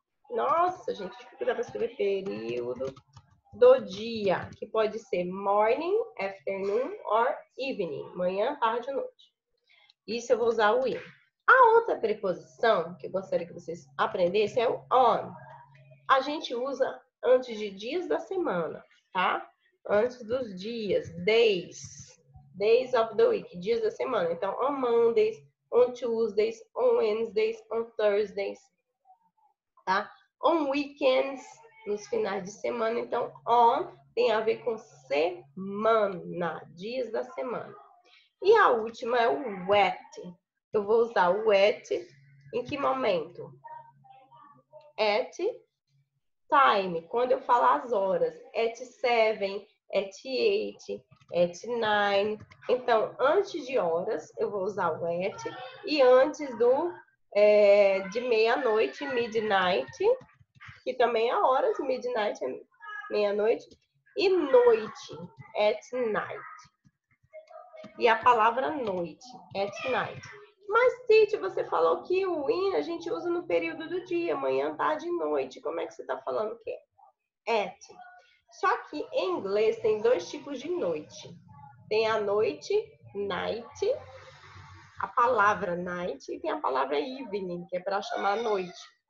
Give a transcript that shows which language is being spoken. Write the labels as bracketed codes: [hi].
[pt] Nossa, gente, dificuldade para escrever período do dia, que pode ser [en] morning, afternoon or evening, [pt] manhã, tarde ou noite. Isso eu vou usar o in. A outra preposição que eu gostaria que vocês aprendessem é o on. A gente usa antes de dias da semana, tá? Antes dos dias, [en] days, days of the week, [pt] dias da semana. [en] Então, on Mondays, on Tuesdays, on Wednesdays, on Thursdays. [pt] Tá? [en] On weekends, [pt] nos finais de semana. Então, on tem a ver com semana, dias da semana. E a última é o at. Eu vou usar o at em que momento? [en] At time, [pt] quando eu falar as horas. [en] At 7, at 8, at 9. [pt] Então, antes de horas, eu vou usar o at. E antes do... de meia-noite, midnight, que também é horas, midnight é meia-noite, e noite, [en] at night. [pt] E a palavra noite, [en] at night. [pt] Mas, Titi, você falou que o in a gente usa no período do dia, manhã, tarde e noite. Como é que você está falando que é? At. Só que em inglês tem dois tipos de noite. Tem a noite, night, a palavra night, e tem a palavra evening, que é para chamar noite.